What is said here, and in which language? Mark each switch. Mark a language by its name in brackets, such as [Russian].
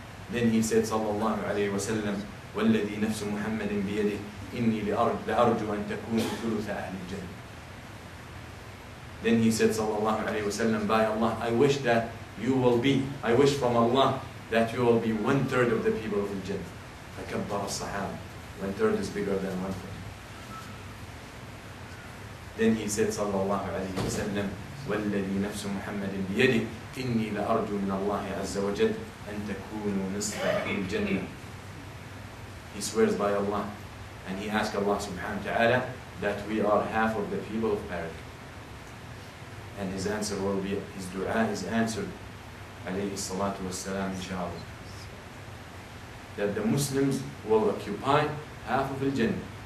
[English] Then he said [Arabic] صلى الله عليه وسلم والذي نفس محمد بيده إني لأرجو أن تكون ثلث أهل الجنة. [English] Then he said [Arabic] صلى الله عليه وسلم [English] by Allah I wish from Allah that you will be 1/3 of the people of the Jannah. [Arabic] فكبر الصحابة. [English] 1/3 is bigger than 1/3. Then he said [Arabic] صلى الله عليه وسلم والذي نفس محمد بيده إني لأرجو من الله عز وجل أن تكونوا نصف أهل الجنة. [English] He swears by Allah and he asks Allah subhanahu wa ta'ala that we are half of the people of paradise. And his answer will be, his dua is answered [Arabic] عليه الصلاة والسلام إن شاء الله. [English] That the Muslims will occupy half of the Jannah.